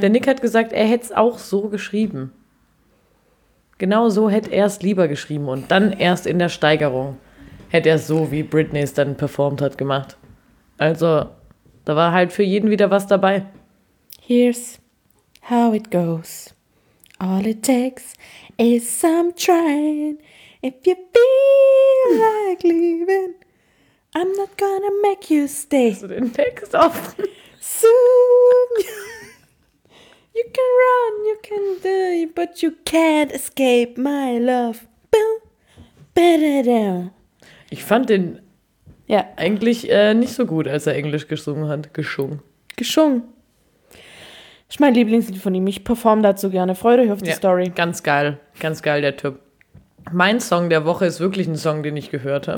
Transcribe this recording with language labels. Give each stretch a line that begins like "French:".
German: Der Nick hat gesagt, er hätte es auch so geschrieben. Genau so hätte er es lieber geschrieben. Und dann erst in der Steigerung hätte er es so, wie Britney es dann performt hat, gemacht. Also da war halt für jeden wieder was dabei.
English: Here's how it goes. All it takes is some trying. If you feel like leaving, I'm not gonna make you stay.
German: Hast du den Text offen?
English: Soon. You can run, you can die, but you can't escape my love. Boom. Ba-da-da.
German: Ich fand den eigentlich nicht so gut, als er Englisch gesungen hat. Geschungen. Das ist mein Lieblingslied von ihm. Ich performe dazu gerne. Freut euch auf die Story. Ganz geil. Ganz geil, der Typ. Mein Song der Woche ist wirklich ein Song, den ich gehört habe.